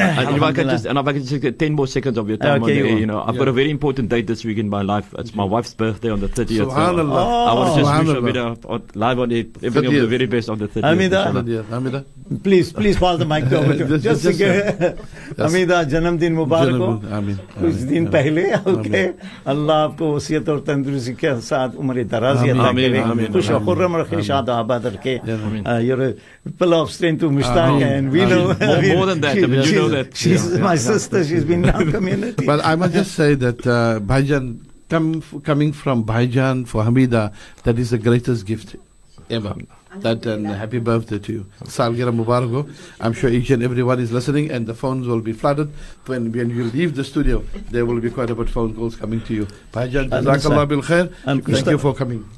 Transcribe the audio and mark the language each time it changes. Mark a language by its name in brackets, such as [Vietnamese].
[English] If I could just take 10 more seconds of your time, I've got a very important date this week in my life. It's my wife's birthday on the 30th. SubhanAllah. I want to just wish live on it, everything of the very best on the 30th. Amida. Please pass the mic over to you. Just a second. Amida, [Urdu] Janam Din Mubarak. کچھ دن پہلے اللہ آپ کو وصیت اور تندرستی کے ساتھ عمر درازی عطا کرے خوش و خرم رکھے شاد و آباد رکھے [English] Your pillar of strength to Mushtaq and we know more than that you know that she is my sister she is been in community but I must just say that Bhai Jaan coming from Bhaijaan for Hamida, that is the greatest gift ever. That and happy birthday to you. [Urdu] Salgira Mubarako. [English] I'm sure each and everyone is listening, and the phones will be flooded. When you leave the studio, there will be quite a bit of phone calls coming to you. Bhaijaan, [Arabic] JazakAllah bil khair. [English] Thank you for coming.